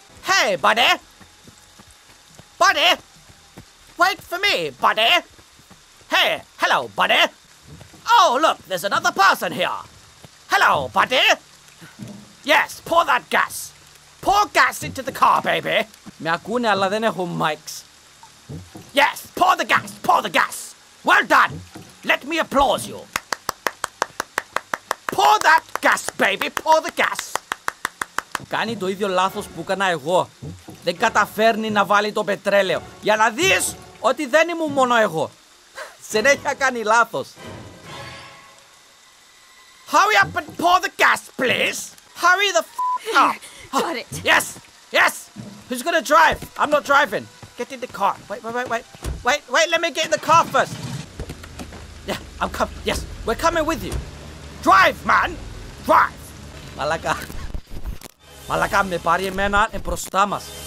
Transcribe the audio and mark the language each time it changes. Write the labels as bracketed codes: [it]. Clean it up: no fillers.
[en] Hey, buddy! Buddy! Wait for me, buddy! Hey, hello, buddy! Oh, look, there's another person here! Hello, buddy! Yes, pour that gas! Pour gas into the car, baby! [el] Με ακούνε, αλλά δεν έχω mics. [en] Yes, pour the gas! Pour the gas! Well done! Let me applaud you! Pour that gas, baby! Pour the gas! [el] Κάνει το ίδιο λάθος που έκανα εγώ. Δεν καταφέρνει να βάλει το πετρέλαιο. Για να δεις ότι δεν ήμουν μόνο εγώ. Συνέχεια κάνει λάθος. [en] Hurry up and pour the gas, please! Hurry the f*** up! Got it! Yes! Yes! Who's gonna drive? I'm not driving. Get in the car. Wait, let me get in the car first. Yeah, I'm coming. Yes, we're coming with you. Drive, man! Drive! [el] Μαλακά. Μαλακά, με πάρει εμένα μπροστά μας.